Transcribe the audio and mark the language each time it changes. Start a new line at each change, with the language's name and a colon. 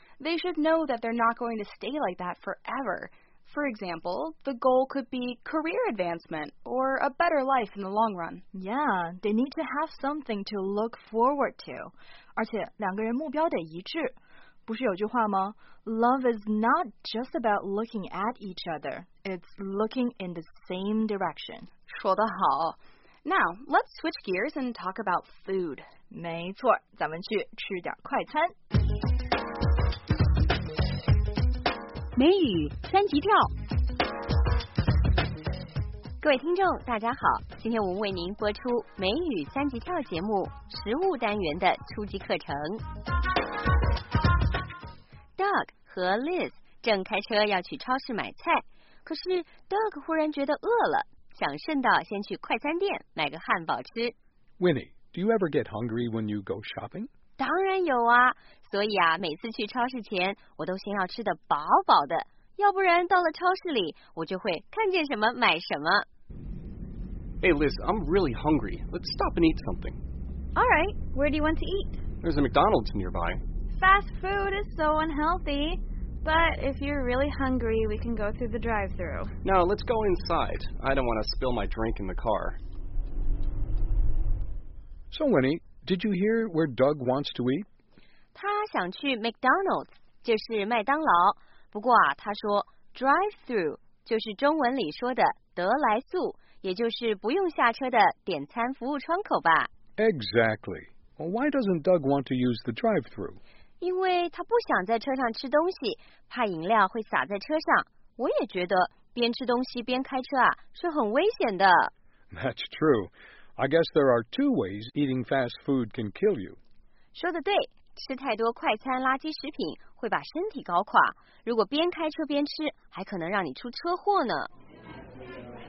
English: They should know that they're not going to stay like that forever. For example, the goal could be career advancement or a better life in the long run. Yeah, they need to have something to look forward to.
Chinese: 而且两个人目标得一致。不是有句话吗？
English: Love is not just about looking at each other. It's looking in the same direction.
Chinese: 说得好。
English: Now, let's switch gears and talk about food.
Chinese: 没错，咱们去吃点快餐。美语三级跳，各位听众大家好，今天我们为您播出美语三级跳节目食物单元的初级课程。 Doug 和 Liz 正开车要去超市买菜，可是 Doug 忽然觉得饿了，想顺道先去快餐店买个汉堡吃。
English: Winnie, do you ever get hungry when you go shopping?
Chinese: 当然有啊，所以啊，每次去超市前，我都先要吃得饱饱的，要不然到了超市里，我就会看见什么买什么。
English: Hey Liz, I'm really hungry. Let's stop and eat something. All right, where do you want to eat? There's a McDonald's nearby. Fast food is so unhealthy, but if you're really hungry, we can go through the drive-thru. No, let's go inside. I don't want to spill my drink in the car. So Winnie,Did you hear where Doug wants to eat?
Chinese: 他想去 McDonald's, 就是麦当劳。不过啊，他说 drive-through, 就是中文里说的得来速，也就是不用下车的点餐服务窗口吧。
English: Exactly. Well, why doesn't Doug want to use the drive-through?
Chinese: 因为他不想在车上吃东西，怕饮料会洒在车上。我也觉得边吃东西边开车啊，是很危险的。
English: That's true. I guess there are two ways eating fast food can kill you.
Chinese: 说得对，吃太多快餐垃圾食品会把身体搞垮，如果边开车边吃，还可能让你出车祸呢。